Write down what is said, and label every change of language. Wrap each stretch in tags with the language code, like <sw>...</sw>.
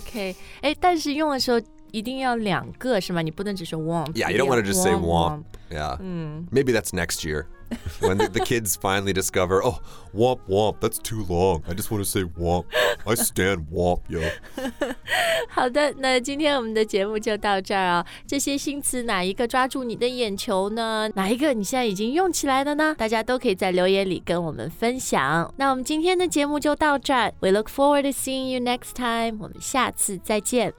<zh>Okay, 哎，但是用的时候一定要两个是吗？你不能只说 womp.</zh> <en>Yeah, you don't want to just say womp. Yeah, maybe that's next year. When the kids finally discover, oh, womp womp, that's too long. I just want to say womp. I stand womp, yo.</en> <zh>好的，那今天我们的节目就到这儿啊。这些新词哪一个抓住你的眼球呢？哪一个你现在已经用起来了呢？大家都可以在留言里跟我们分享。那我们今天的节目就到这儿。</zh> <en>We look forward to seeing you next time.</en> <zh>我们下次再见。</zh>